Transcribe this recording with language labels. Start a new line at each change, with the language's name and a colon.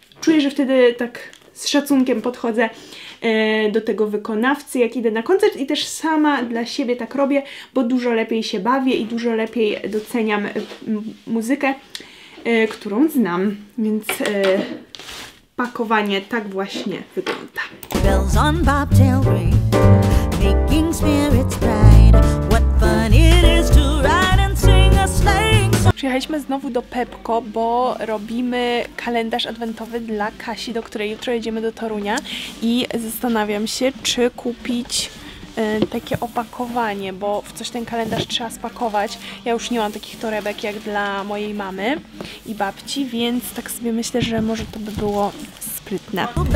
Polish: Czuję, że wtedy tak z szacunkiem podchodzę do tego wykonawcy, jak idę na koncert i też sama dla siebie tak robię, bo dużo lepiej się bawię i dużo lepiej doceniam muzykę, którą znam, więc pakowanie tak właśnie wygląda.
English: Bells on bobtail ring, making spirits bright. What fun it is to ride and sing a sleighing.
Polish: Przyjechaliśmy znowu do Pepco, bo robimy kalendarz adwentowy dla Kasi, do której jutro jedziemy do Torunia i zastanawiam się, czy kupić takie opakowanie, bo w coś ten kalendarz trzeba spakować. Ja już nie mam takich torebek jak dla mojej mamy i babci, więc tak sobie myślę, że może to by było sprytne.